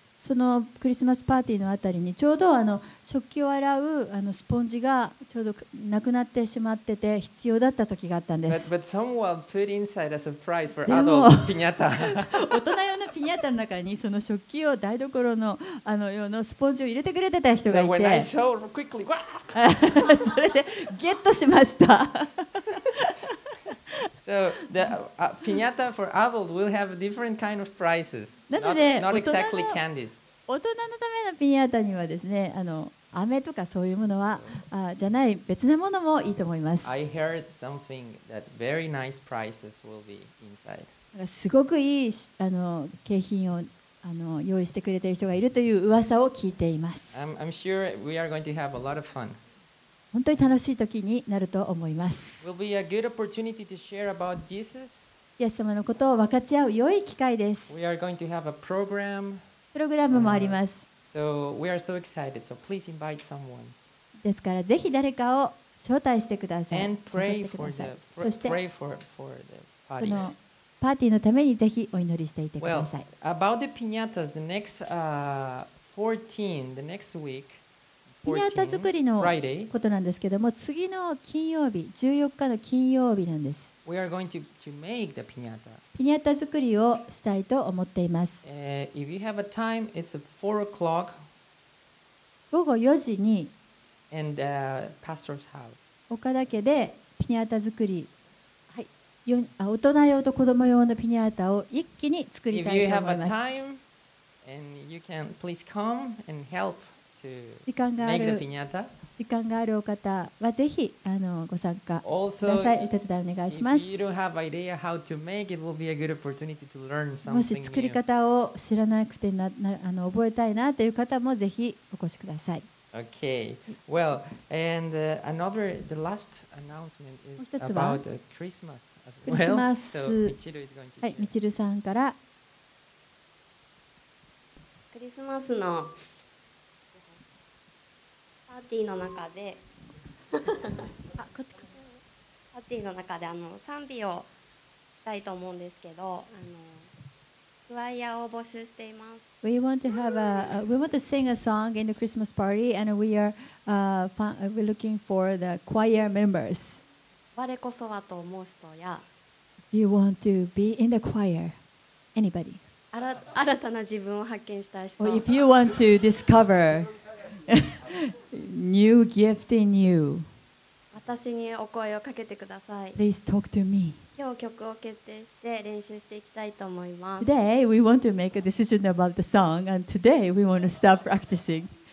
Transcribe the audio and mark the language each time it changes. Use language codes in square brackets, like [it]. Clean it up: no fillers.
[ja] そのクリスマスパーティーのあたりにちょうどあの食器を洗うあのスポンジがちょうどなくなってしまってて必要だった時があったんです。 [en] But someone put inside a surprise for adult piñata. [ja] 大人用のピニャータの中にその食器を台所 あの用のスポンジを入れてくれてた人がいて、 [en] So when I saw quickly, wow! [ja] それでゲットしました。 [en] So the piñata for adults will have different kind of prizes. Not exactly candies. [ja] 大人のためのピニャータにはですね、あの飴とかそういうものはじゃない別なものもいいと思います。 [en] I heard something that very nice prizes will be inside. [ja] すごくいいあの景品をあの用意してくれている人がいるという噂を聞いています。 [en] I'm sure we are going to have a lot of fun. [ja] 本当に楽しい時になると思います。 [en] Will be a good opportunity to share about Jesus. [ja] イエス様のことを分かち合う良い機会です。 [en] We are going to have a program. [ja] プログラムもあります。 [en] So we are so excited. So please invite someone. [ja] ですからぜひ誰かを招待してください。 [en] And pray for the party. [ja] そして [en] pray for the party. [ja] このパーティーのためにぜひお祈りしていてください。 [en] Well, about the piñatas, the next 14, the next week. [ja] ピニャータ作りのことなんですけども、次の金曜日、14日の金曜日なんです。 [en] We are going to make the piñata. [ja] ピニャータ作りをしたいと思っています。 [en] If you have a time, it's 4 o'clock. [ja] 午後4時に、 [en] and pastor's house. [ja] 岡田家でピニャータ作り、はい、大人用と子供用のピニャータを一気に作りたいと思います。 [en] If you have a time, and you can please come and help. [ja] 時間がある時間があるお方はぜひあのご参加ください。お手伝いお願いします。もし作り方を知らなくてなあの覚えたいなという方もぜひお越しください。もう一つはクリスマス、はい、みちるさんからクリスマスのパーティーの中で、あ、こっちこっち。パーティーの中であの賛美をしたいと思うんですけど、あのクワイアを募集しています。 [en] We want to have we want to sing a song in the Christmas party, and we are we're looking for the choir members. [ja] 我こそはと思う人や、 [en] Do you want to be in the choir? Anybody? [ja] 新たな自分を発見した人。 [en] If you want to discover new gift in you, [ja] 私にお声をかけてください。 [en] Please talk to me. [ja] 今日曲を決定して練習していきたいと思います。 [en] Today we want to make a decision about the song, and today we want to start practicing.